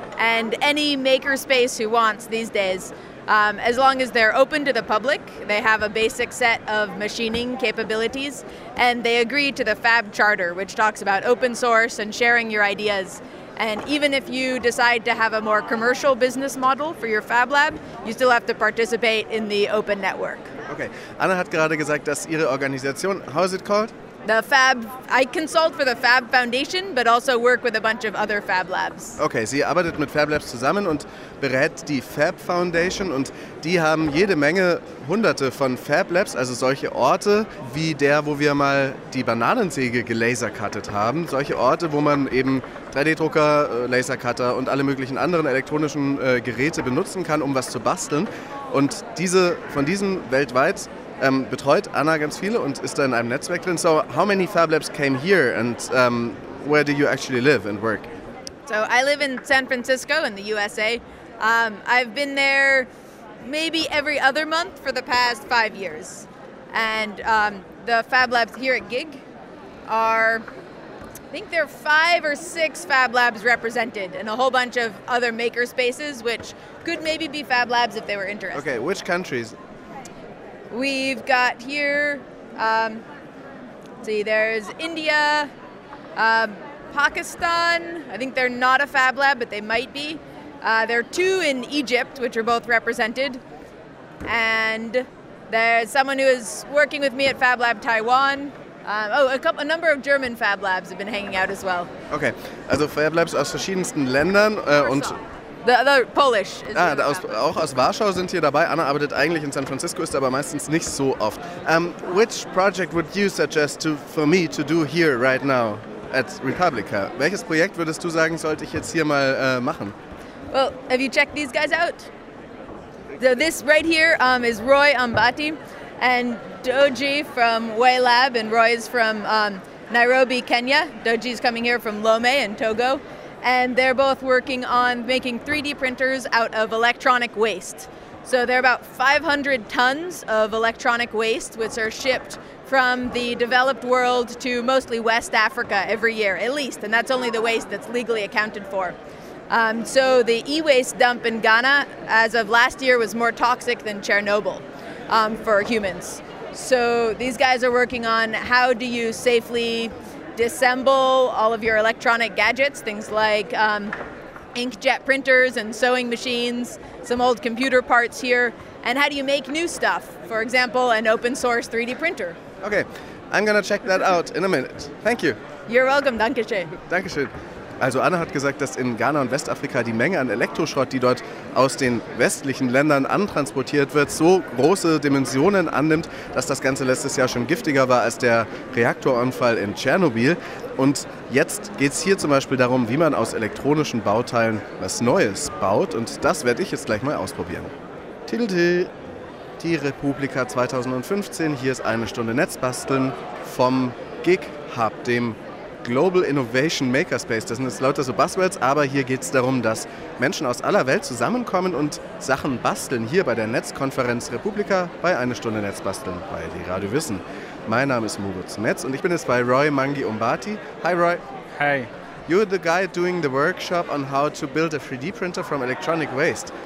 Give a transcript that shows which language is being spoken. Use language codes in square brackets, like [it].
[en] And any makerspace who wants these days, as long as they're open to the public, they have a basic set of machining capabilities, and they agree to the Fab Charter, which talks about open source and sharing your ideas. And even if you decide to have a more commercial business model for your Fab Lab, you still have to participate in the open network. Okay. [de] Anna hat gerade gesagt, dass ihre Organisation, [en] how is it called? The Fab, I consult for the Fab Foundation, but also work with a bunch of other Fab Labs. [de] Okay, sie arbeitet mit Fab Labs zusammen und berät die Fab Foundation und die haben jede Menge, hunderte von Fab Labs, also solche Orte wie der, wo wir mal die Bananensäge gelasercuttet haben, solche Orte, wo man eben 3D-Drucker, Lasercutter und alle möglichen anderen elektronischen Geräte benutzen kann, um was zu basteln. Und diese von diesen weltweit betreut Anna ganz viele und ist da in einem Netzwerk drin. [en] So, how many Fab Labs came here and where do you actually live and work? So, I live in San Francisco in the USA. I've been there maybe every other month for the past 5 years. And the Fab Labs here at GIG are, I think there are 5 or 6 Fab Labs represented and a whole bunch of other maker spaces, which could maybe be Fab Labs if they were interested. Okay, which countries? We've got here, there's India, Pakistan, I think they're not a Fab Lab, but they might be. There are 2 in Egypt, which are both represented. And there's someone who is working with me at Fab Lab Taiwan. A number of German Fab Labs have been hanging out as well. [de] Okay, also Fab Labs aus verschiedensten Ländern und... [en] The Polish. [de] Auch aus Warschau sind hier dabei. Anna arbeitet eigentlich in San Francisco, ist aber meistens nicht so oft. [en] Which project would you suggest for me to do here right now at Republica? [de] Welches Projekt würdest du sagen, sollte ich jetzt hier mal machen? [en] Well, have you checked these guys out? So this right here is Roy Ambati and Doji from Way Lab, and Roy is from Nairobi, Kenya. Doji is coming here from Lome in Togo. And they're both working on making 3D printers out of electronic waste. So there are about 500 tons of electronic waste, which are shipped from the developed world to mostly West Africa every year, at least. And that's only the waste that's legally accounted for. So the e-waste dump in Ghana, as of last year, was more toxic than Chernobyl for humans. So these guys are working on how do you safely disassemble all of your electronic gadgets, things like inkjet printers and sewing machines, some old computer parts here, and how do you make new stuff? For example, an open source 3D printer. Okay, I'm gonna check that out in a minute. Thank you. You're welcome. [de] Dankeschön. Dankeschön. Also Anna hat gesagt, dass in Ghana und Westafrika die Menge an Elektroschrott, die dort aus den westlichen Ländern antransportiert wird, so große Dimensionen annimmt, dass das Ganze letztes Jahr schon giftiger war als der Reaktorunfall in Tschernobyl. Und jetzt geht es hier zum Beispiel darum, wie man aus elektronischen Bauteilen was Neues baut. Und das werde ich jetzt gleich mal ausprobieren. Tilde, die Republika 2015, hier ist eine Stunde Netzbasteln vom GIG Hub, dem Global Innovation Makerspace. Das sind jetzt lauter so Buzzwords, aber hier geht es darum, dass Menschen aus aller Welt zusammenkommen und Sachen basteln, hier bei der Netzkonferenz Republika bei eine Stunde Netzbasteln bei die Radio Wissen. Mein Name ist Moritz Metz und ich bin jetzt bei Roy Mangi Umbati. [en] Hi Roy. Hi. You're the guy doing the workshop on how to build a 3D printer from electronic waste.